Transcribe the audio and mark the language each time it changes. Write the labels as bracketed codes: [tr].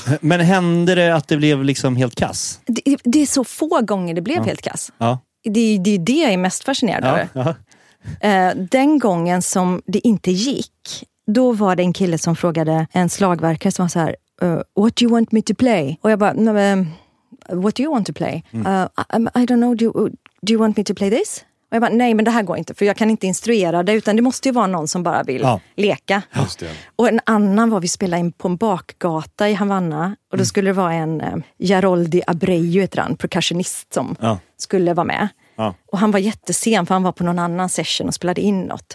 [sv] Men hände det att det blev liksom helt kass? Det är så få gånger det blev helt kass. Ja. Det är det jag är mest fascinerad av. Ja. Den gången som det inte gick, då var det en kille som frågade en slagverkare som var så här, [en] what do you want me to play? [sv] Och jag bara, [en] no, what do you want to play? I don't know, do you want me to play this? [sv] Och jag bara, nej, men det här går inte, för jag kan inte instruera det, utan det måste ju vara någon som bara vill leka. Just det. Och en annan var, vi spelade in på en bakgata i Havanna, och då skulle det vara en Geraldi Abreu, heter han, percussionist som skulle vara med. Ja. Och han var jättesen, för han var på någon annan session och spelade in något.